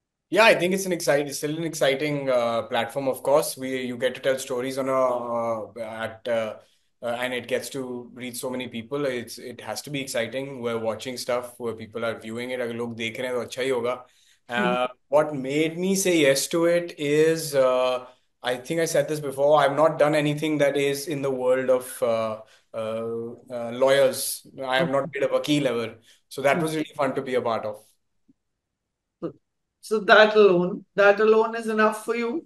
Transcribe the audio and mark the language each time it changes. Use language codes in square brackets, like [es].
[en] Yeah, I think it's still an exciting platform. Of course, you get to tell stories on a at and it gets to reach so many people. It has to be exciting. We're watching stuff where people are viewing it. [hi] अगर लोग देख रहे हैं तो अच्छा ही होगा. [en] What made me say yes to it is, I think I said this before. I've not done anything that is in the world of lawyers. I have not made a vakil ever. So that was really fun to be a part of. So that alone is enough for you.